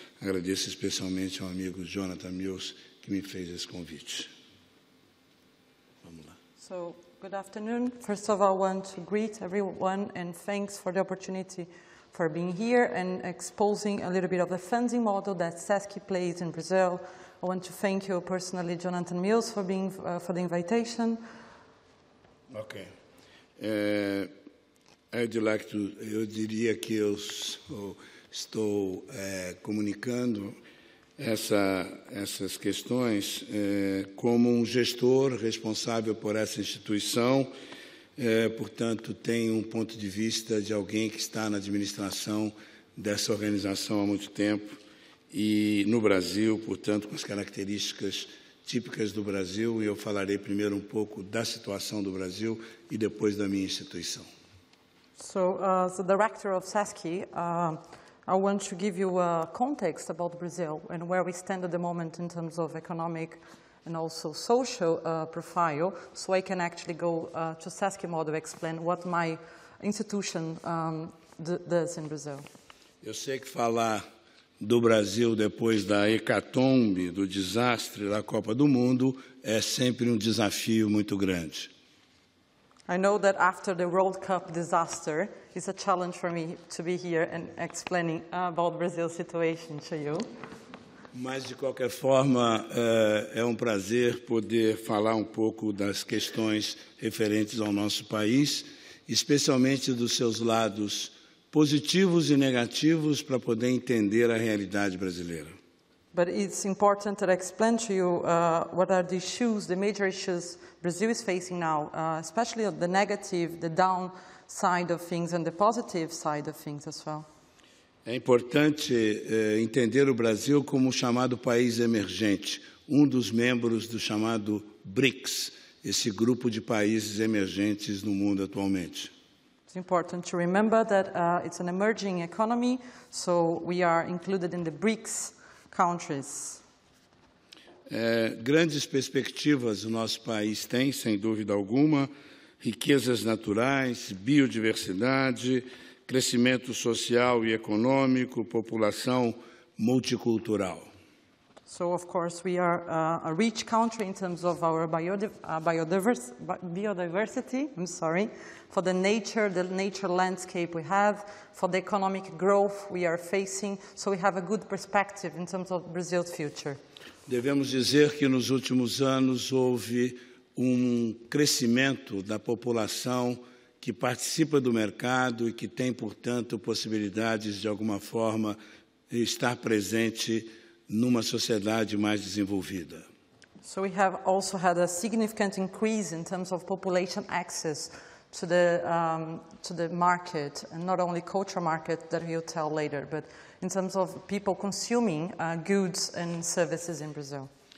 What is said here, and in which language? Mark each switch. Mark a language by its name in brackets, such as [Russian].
[Portuguese] Agradeço especialmente ao amigo Jonathan Mills, que me fez esse convite. Vamos lá. [English] So, good afternoon. First of all, I want to greet everyone and thanks for the opportunity for being here and exposing a little bit of the funding model that SESC plays in Brazil. I want to thank you personally, Jonathan Mills, for being for the invitation. Okay. [Portuguese] Eu diria que eu sou, estou comunicando essas questões como um gestor responsável por essa instituição, portanto, tenho um ponto de vista de alguém que está na administração dessa organização há muito tempo e no Brasil, portanto, com as características típicas do Brasil, e eu falarei primeiro um pouco da situação do Brasil e depois da minha instituição. [English] So, as the director of SESC, I want to give you a context about Brazil and where we stand at the moment in terms of economic and also social profile, so I can actually go to SESC model to explain what my institution does in Brazil. [Portuguese] Eu sei que falar do Brasil depois da hecatombe, do desastre da Copa do Mundo, é sempre desafio muito grande. [English] I know that after the World Cup disaster, it's a challenge for me to be here and explaining about Brazil's situation to you. [Portuguese] Mas, de qualquer forma, é prazer poder falar pouco das questões referentes ao nosso país, especialmente dos seus lados positivos e negativos, para poder entender a realidade brasileira. [English] But it's important that I explain to you what are the issues, the major issues Brazil is facing now, especially the negative, the down side of things and the positive side of things as well. [Portuguese] É importante entender o Brasil como chamado país emergente, dos membros do chamado BRICS, esse grupo de países emergentes no mundo atualmente. [English] It's important to remember that it's an emerging economy, so we are included in the BRICS countries. [Portuguese] Grandes perspectivas o nosso país tem, sem dúvida alguma, riquezas naturais, biodiversidade, crescimento social e econômico, população multicultural. [English] So, of course, we are a rich country in terms of our biodiversity, I'm sorry, for the nature landscape we have, for the economic growth we are facing, so we have a good perspective in terms of Brazil's future. [Portuguese] Devemos dizer que nos últimos anos houve crescimento da população que participa do mercado e que tem, portanto, possibilidades de alguma forma estar presente numa sociedade mais desenvolvida. [English] So we have also had a significant increase in terms of population access to the market, and not only cultural market that we'll tell later, but in terms of people consuming goods and services in Brazil.